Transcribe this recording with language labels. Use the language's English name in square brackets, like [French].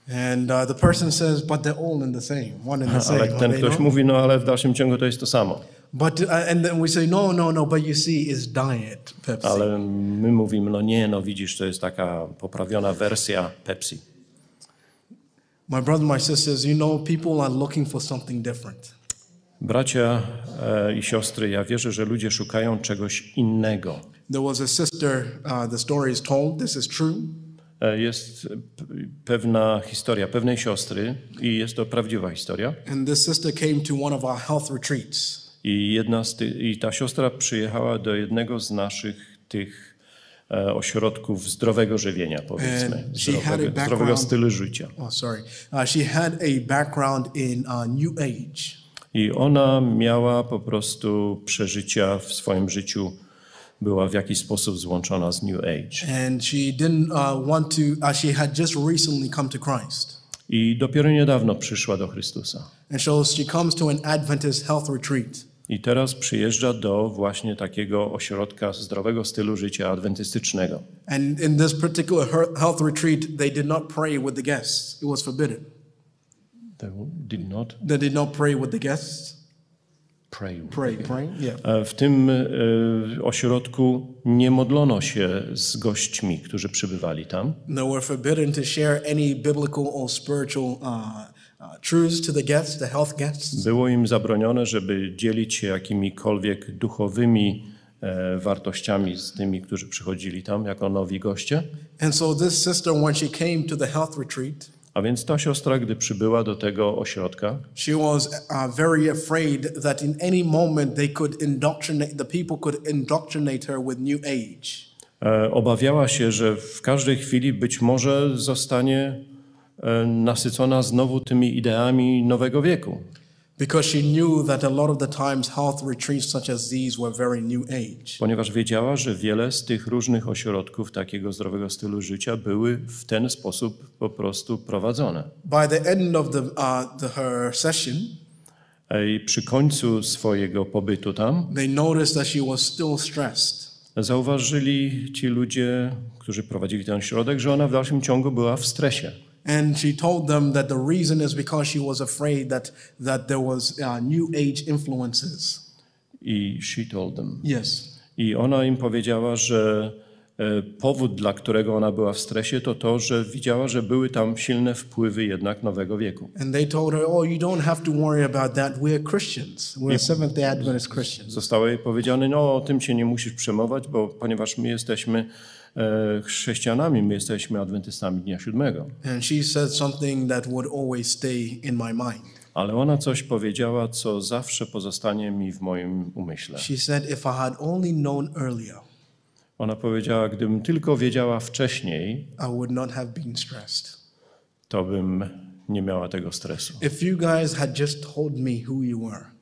[English] And the person says, but they're all in the same, one in the same. [Polish] Ale ten ktoś mówi, no ale w dalszym ciągu to jest to samo. [English] But and then we say, no, but you see, it's diet Pepsi. [Polish] Ale my mówimy, no nie, no widzisz, to jest taka poprawiona wersja Pepsi. [English] My brother, my sisters, you know, people are looking for something different. [Polish] Bracia i siostry, ja wierzę, że ludzie szukają czegoś innego. [English] There was a sister, the story is told, this is true. [Polish] Jest pewna historia pewnej siostry i jest to prawdziwa historia. [English] And this sister came to one of our health retreats. [Polish] I ta siostra przyjechała do jednego z naszych tych ośrodków zdrowego żywienia, powiedzmy, zdrowego stylu życia. [English] Oh, sorry. She had a background in New Age. [Polish] I ona miała po prostu przeżycia w swoim życiu, była w jakiś sposób złączona z New Age. [English] And she didn't want to, she had just recently come to Christ. [Polish] I dopiero niedawno przyszła do Chrystusa. [English] And so she comes to an Adventist health retreat. [Polish] I teraz przyjeżdża do właśnie takiego ośrodka zdrowego stylu życia adwentystycznego. [English] And in this particular health retreat, they did not pray with the guests. It was forbidden. They did not pray with the guests. Pray. Yeah. [Polish] W tym ośrodku nie modlono się z gośćmi, którzy przybywali tam. [English] They were forbidden to share any biblical or spiritual truths to the guests, the health guests. [Polish] Było im zabronione, żeby dzielić się jakimikolwiek duchowymi wartościami z tymi, którzy przychodzili tam jako nowi goście. [English] And so this sister, when she came to the health retreat, [Polish] a więc ta siostra, gdy przybyła do tego ośrodka, [English] she was very afraid that in any moment they could indoctrinate her with New Age. [Polish] Obawiała się, że w każdej chwili być może zostanie nasycona znowu tymi ideami nowego wieku. [English] Because she knew that a lot of the times health retreats such as these were very new age. [Polish] Ponieważ wiedziała, że wiele z tych różnych ośrodków takiego zdrowego stylu życia były w ten sposób po prostu prowadzone. [English] By the end of her session, [Polish] i przy końcu swojego pobytu tam, [English] they noticed that she was still stressed. [Polish] Zauważyli ci ludzie, którzy prowadzili ten ośrodek, że ona w dalszym ciągu była w stresie. [English] And she told them that the reason is because she was afraid that there was new age influences. I she told them. Yes. [Polish] I ona im powiedziała, że powód, dla którego ona była w stresie, to, że widziała, że były tam silne wpływy jednak nowego wieku. [English] And they told her, oh, you don't have to worry about that. We're Christians. We're Seventh-day Adventist Christians. [Polish] Zostało jej powiedziane, no, o tym się nie musisz przejmować, bo ponieważ my jesteśmy chrześcijanami, my jesteśmy adwentystami dnia siódmego. [English] And she said something that would always stay in my mind. [Polish] Ale ona coś powiedziała, co zawsze pozostanie mi w moim umyśle. [English] She said, if I had only known earlier, [Polish] ona powiedziała, gdybym tylko wiedziała wcześniej, [English] I would not have been stressed. [Polish] To bym nie miała tego stresu. [English] If you guys had just told me who you were,